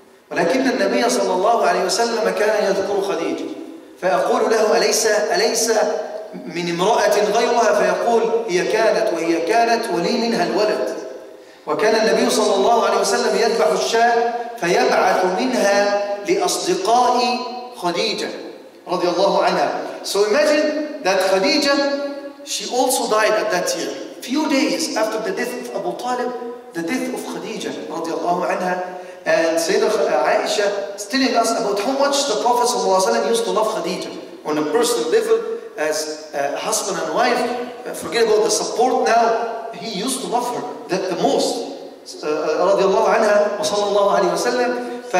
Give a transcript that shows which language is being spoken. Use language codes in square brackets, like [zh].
[ar] وَلَكِنَّ النَّبِيَّ صَلَّى اللَّهُ عَلَيْهِ وَسَلَّمَ كَانَ يَذْكُرُ خَدِيجَ فَيَقُولُ لَهُ أَلَيْسَ مِنْ امْرَأَةٍ غَيْرُهَا فَيَقُولُ هِيَ كَانَتْ وَلِي مِنْهَا الْوَلَدْ وكان النبي صلى الله عليه وسلم يذبح الشاة فيبعث منها لأصدقاء خديجة رضي الله عنها. [en] So imagine that Khadija, she also died at that year. Few days after the death of Abu Talib, the death of Khadija [ar] رضي الله عنها. [en] And Sayyidina Aisha is telling us about how much the Prophet [ar] صلى الله عليه وسلم [en] used to love Khadija on a personal level as a husband and wife. Forget about the support now. He used to love her the most. [ar] رضي الله عنها وصلى الله عليه وسلم.